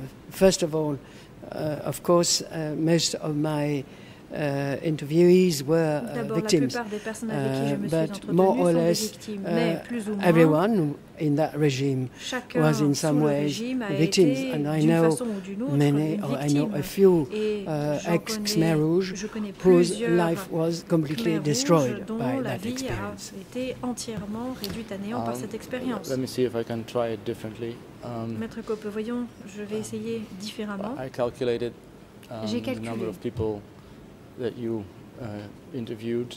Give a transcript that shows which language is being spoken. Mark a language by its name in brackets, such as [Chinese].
[English] first of all, of course, most of my interviewees were victims, but more or less everyone in that regime [French] Chacun [English] was in some ways victims, and I know many, or I know a few ex-Khmer Rouge whose life was completely destroyed by that experience. [French] Été entièrement réduite à néant par cette expérience. [English] Let me see if I can try it differently. [French] Maître Cope, voyons, je vais essayer différemment. [English] I calculated the number of people that you interviewed,